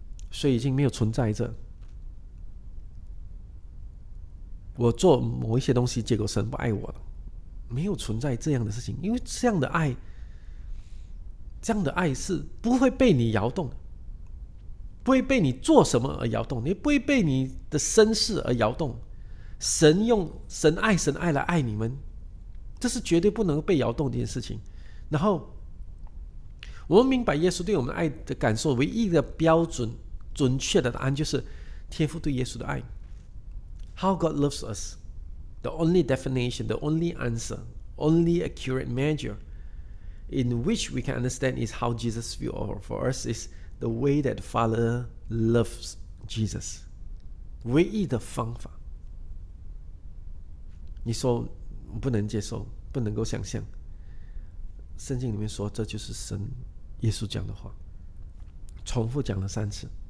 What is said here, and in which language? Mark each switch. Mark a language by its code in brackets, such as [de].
[zh] 所以已经没有存在着我做某一些东西结果神不爱我了，没有存在这样的事情。因为这样的爱是不会被你摇动的，不会被你做什么而摇动，也不会被你的身世而摇动。神用神爱神爱来爱你们，这是绝对不能被摇动的一件事情。然后我们明白耶稣对我们爱的感受，唯一的标准准确的答案就是天父对耶稣的爱。 [en] How God loves us, the only definition, the only answer, only accurate measure in which we can understand is how Jesus feels for us is the way that the Father loves Jesus. [zh] 唯一的方法。你说不能接受，不能够想象。圣经里面说这就是神耶稣讲的话，重复讲了三次。